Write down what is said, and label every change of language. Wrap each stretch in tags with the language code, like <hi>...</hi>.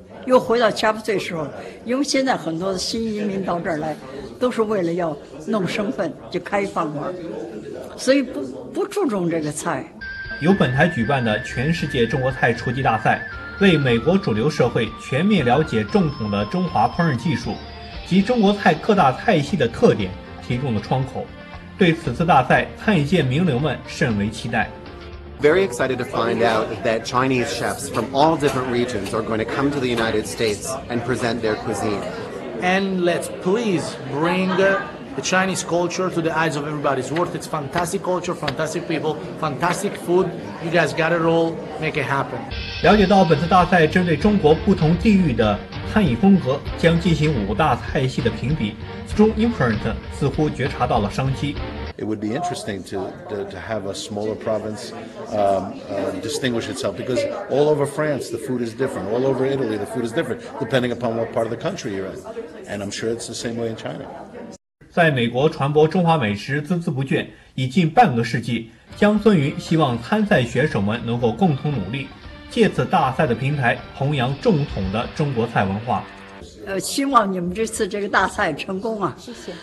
<zh>又回到加布岁时候，因为现在很多新移民到这儿来都是为了要弄身份就开饭馆，所以不注重这个菜。由本台举办的全世界中国菜厨技大赛，为美国主流社会全面了解正统的中华烹饪技术及中国菜各大菜系的特点提供了窗口。对此次大赛，餐饮界名流们甚为期待。</zh> <en>Very excited to find out that Chinese chefs from all different regions are going to come to the United States and present their cuisine. And let's please bring the Chinese culture to the eyes of everybody. It's worth it. It's fantastic culture, fantastic people, fantastic food. You guys got it all. Make it happen.</en> <zh>了解到本次大赛针对中国不同地域的餐饮风格，将进行五大菜系的评比。 Strong Imprint 似乎觉察到了商机。</zh> <en>It would be interesting to have a smaller province distinguish itself because all over France the food is different, all over Italy the food is different depending upon what part of the country you're in, and I'm sure it's the same way in China.</en> <zh>在美国传播中华美食孜孜不倦已近半个世纪，江森云希望参赛选手们能够共同努力，借此大赛的平台弘扬正统的中国菜文化。希望你们这次这个大赛成功啊！谢谢。</zh>